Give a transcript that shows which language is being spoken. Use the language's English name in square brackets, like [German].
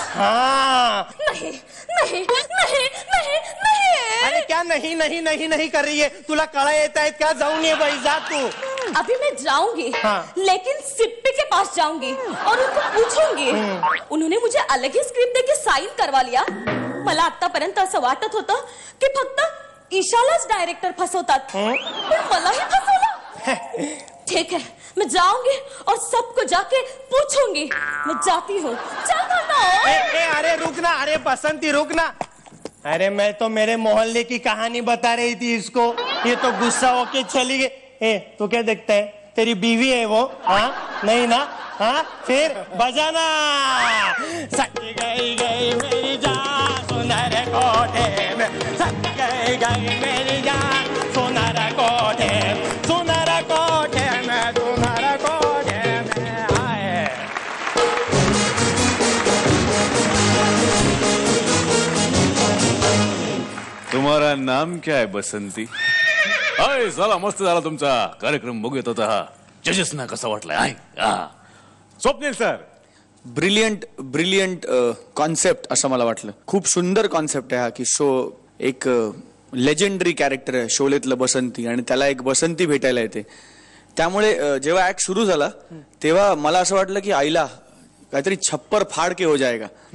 [Hindi] हाँ नहीं नहीं नहीं नहीं नहीं। अरे क्या नहीं नहीं नहीं नहीं कर रही है, [Marathi] तुला कड़ा येता है क्या? [Hindi] जाऊंगी भाई जा तू। अभी मैं जाऊंगी। हाँ। लेकिन सिप्पी के पास जाऊंगी और उनको पूछूंगी। उन्होंने मुझे अलग ही स्क्रिप्ट देके साइन करवा लिया। [Marathi] मला आता पर्यंत असं वाटत होत कि फक्त ईशालाच डायरेक्टर फसवतात, पण मलाही फसवलं। [Hindi] ठीक है मैं जाऊंगी और सबको जाके पूछूंगी। मैं जाती हूँ, चल बंदा। अरे रुकना, अरे बसंती रुकना। अरे मैं तो मेरे मोहल्ले की कहानी बता रही थी इसको, ये तो गुस्सा होके चली गई। ए तू क्या देखता है, तेरी बीवी है वो? हाँ नहीं ना? हाँ फिर बजाना। सच गई गई मेरी जान सुनर कोठे में, सच गई गई मेरी जान सुनर कोठे में, सुनर कोठे में, सुनर कोठे में। तुम्हारा नाम क्या है बसंती? [Marathi] आय साला मस्त झाला तुमचा कार्यक्रम बघत होता, जजेस ना कसा वाटलाय? I Swapnil sir brilliant brilliant concept असं मला वाटलं, खूप सुंदर कॉन्सेप्ट आहे हा की शो एक लेजेंडरी कॅरेक्टर आहे शोलेतलं बसंती आणि त्याला एक बसंती भेटायला येते, त्यामुळे जेव्हा ऍक्ट सुरू झाला तेव्हा मला असं वाटलं की आईला काहीतरी [Hindi] छप्पर फाड के हो जायगा।